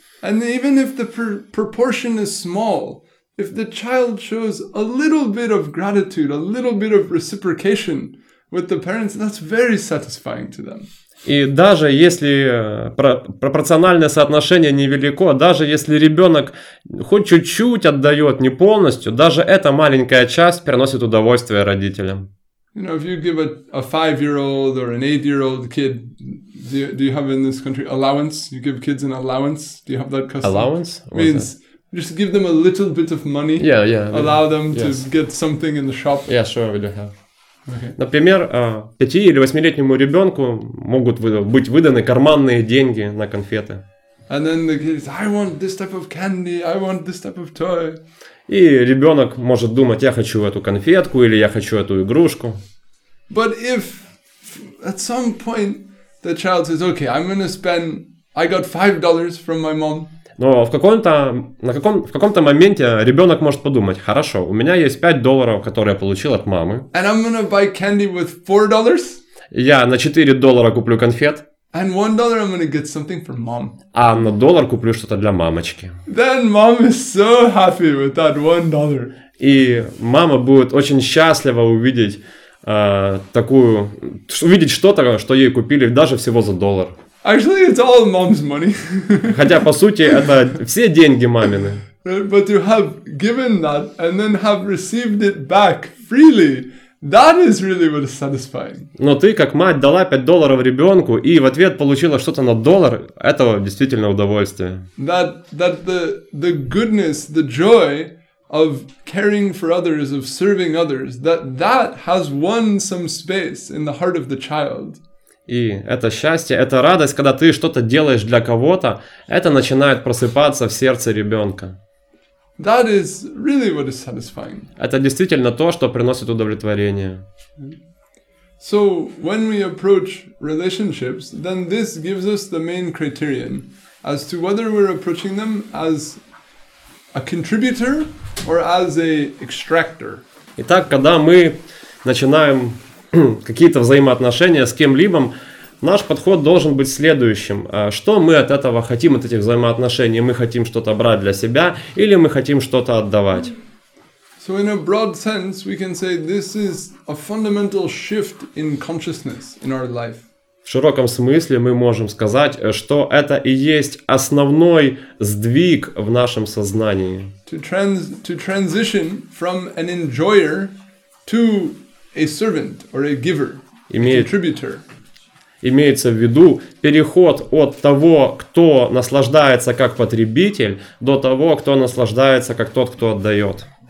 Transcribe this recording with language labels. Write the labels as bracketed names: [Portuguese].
[English] And even if the proportion is small, if the child shows a little bit of gratitude, a little bit of reciprocation with the parents, that's very satisfying to them. [Russian] И даже если пропорциональное соотношение невелико, даже если ребенок хоть чуть-чуть отдает, не полностью, даже эта маленькая часть приносит удовольствие родителям. [English] You know, if you give a 5-year-old or an 8-year-old kid, do you have in this country allowance? You give kids an allowance? Do you have that custom? Allowance? Means just give them a little bit of money. Yeah. Allow them to get something in the shop. Yeah, sure, we do have. Okay. [Russian] Например, 5- или 8-летнему ребенку могут быть выданы карманные деньги на конфеты. [English] And then the kid says, I want this type of candy, I want this type of toy. [Russian] И ребенок может думать, я хочу эту конфетку или я хочу эту игрушку. [English] But if at some point the child says, okay, I'm going to spend, I got $5 from my mom. [Russian] Но в каком-то моменте ребенок может подумать, хорошо, у меня есть $5, которые я получил от мамы. [English] And I'm gonna buy candy with $4. [Russian] Я на $4 куплю конфет. [English] And $1 I'm gonna get something for mom. [Russian] А на доллар куплю что-то для мамочки. [English] Then mom is so happy with that $1. [Russian] И мама будет очень счастлива увидеть что-то, что ей купили даже всего за доллар. [English] Actually, it's all mom's money. [Russian] Хотя по сути это все деньги мамины. [English] But to have given that and then have received it back freely, that is really what is satisfying. [Russian] Но ты как мать дала $5 ребенку и в ответ получила что-то на доллар, это действительно удовольствие. [English] That the goodness, the joy of caring for others, of serving others, that has won some space in the heart of the child. [Russian] И это счастье, это радость, когда ты что-то делаешь для кого-то, это начинает просыпаться в сердце ребенка. [English] That is really what is satisfying. [Russian] Это действительно то, что приносит удовлетворение. [English] So, when we approach relationships, then this gives us the main criterion as to whether we're approaching them as a contributor or as a extractor. [Russian] Итак, когда мы начинаем какие-то взаимоотношения с кем-либо, наш подход должен быть следующим. Что мы от этого хотим, от этих взаимоотношений? Мы хотим что-то брать для себя или мы хотим что-то отдавать? [English] So in a broad sense, we can say this is a fundamental shift in consciousness in our life. [Russian] В широком смысле мы можем сказать, что это и есть основной сдвиг в нашем сознании. [English] To transition from an enjoyer to a servant or a giver, a contributor. [Russian] Имеется в виду переход от того, кто наслаждается как потребитель, до того, кто наслаждается как тот, кто отдает.